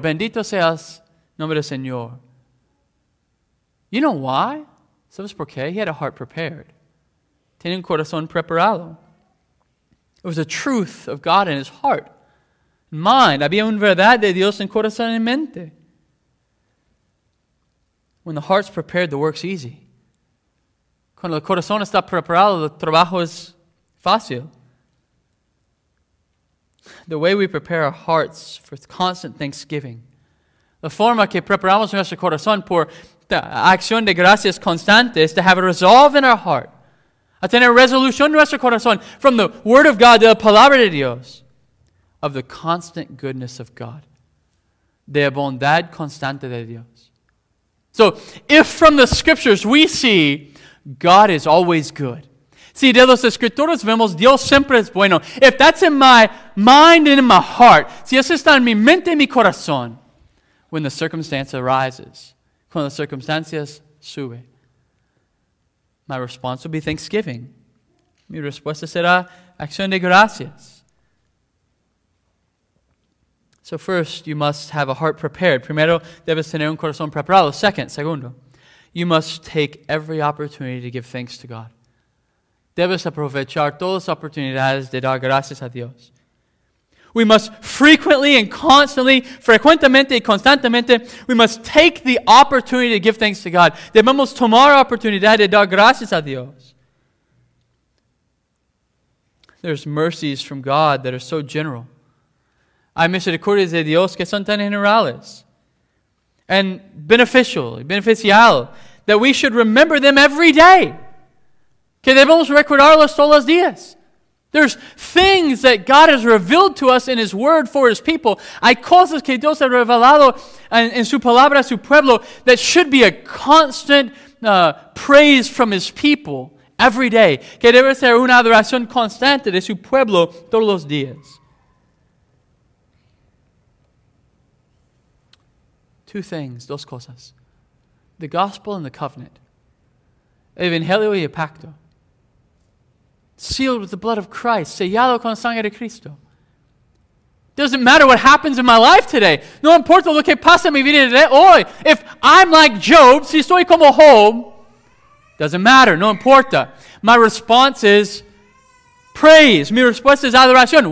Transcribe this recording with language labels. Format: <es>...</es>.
<es>Bendito seas, nombre del Señor.</es> <en>You know why?</en> <es>¿Sabes por qué?</es> <en>He had a heart prepared.</en> <es>Tiene un corazón preparado.</es> <en>It was a truth of God in his heart.</en> <es>Mind, había una verdad de Dios en corazón y mente.</es> <en>When the heart's prepared, the work's easy.</en> <es>Cuando el corazón está preparado, el trabajo es fácil.</es> <en>The way we prepare our hearts for constant thanksgiving.</en> <es>La forma que preparamos nuestro corazón por acción de gracias constante</es> <en>is to have a resolve in our heart.</en> <es>A tener resolución en nuestro corazón</es> <en>from the Word of God,</en> <es>de la Palabra de Dios,</es> <en>of the constant goodness of God.</en> <es>De la bondad constante de Dios.</es> <en>So, if from the Scriptures we see God is always good.</en> <es>Si de los escrituras vemos Dios siempre es bueno.</es> <en>If that's in my mind and in my heart,</en> <es>si eso está en mi mente y mi corazón,</es> <en>when the circumstance arises,</en> <es>cuando las circunstancias suben,</es> <en>my response will be thanksgiving.</en> <es>Mi respuesta será acción de gracias.</es> <en>So first, you must have a heart prepared.</en> <es>Primero, debes tener un corazón preparado.</es> <en>Segundo, you must take every opportunity to give thanks to God.</en> <es>Debes aprovechar todas las oportunidades de dar gracias a Dios.</es> <en>We must frequently and constantly,</en> <es>frecuentemente y constantemente,</es> <en>we must take the opportunity to give thanks to God.</en> <es>Debemos tomar oportunidad de dar gracias a Dios.</es> <en>There's mercies from God that are so general.</en> <es>Hay misericordias de Dios que son tan generales.</es> <en>And beneficial, that we should remember them every day.</en> <es>Que debemos recordarlos todos los días.</es> <en>There's things that God has revealed to us in His Word for His people.</en> <es>Hay cosas que Dios ha revelado en su palabra, su pueblo,</es> <en>that should be a constant praise from His people every day.</en> <es>Que debe ser una adoración constante de su pueblo todos los días.</es> <en>Two things,</en> <es>dos cosas.</es> <en>The gospel and the covenant.</en> <es>Evangelio y pacto.</es> <en>Sealed with the blood of Christ.</en> <es>Sellado con sangre de Cristo.</es> <en>Doesn't matter what happens in my life today.</en> <es>No importa lo que pasa en mi vida de hoy.</es> <en>If I'm like Job,</en> <es>si estoy como Job,</es> <en>doesn't matter,</en> <es>no importa.</es> <en>My response is praise.</en> <es>Mi respuesta es adoración.</es>